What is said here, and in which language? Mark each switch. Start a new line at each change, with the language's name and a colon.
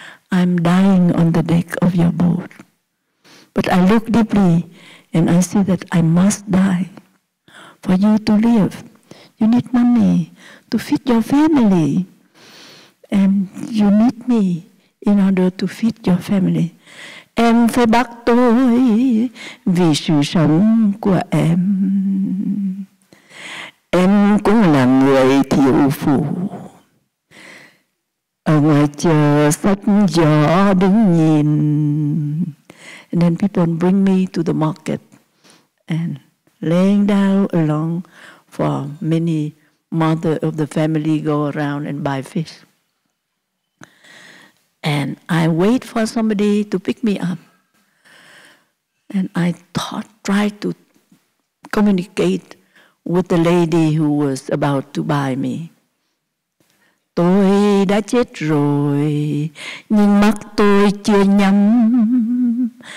English: I'm dying on the deck of your boat, but I look deeply and I see that I must die for you to live. You need money to feed your family, and you need me in order to feed your family.
Vietnamese: Em phải bắt tôi vì sự sống của em. Em cũng là người thiếu phụ ở ngoài chờ sách gió đứng nhìn.
English: And then people bring me to the market and laying down along for many mother of the family go around and buy fish. And I wait for somebody to pick me up. And I try to communicate with the lady who was about to buy me.
Vietnamese: Tôi đã chết rồi, nhưng mắt tôi chưa nhắm.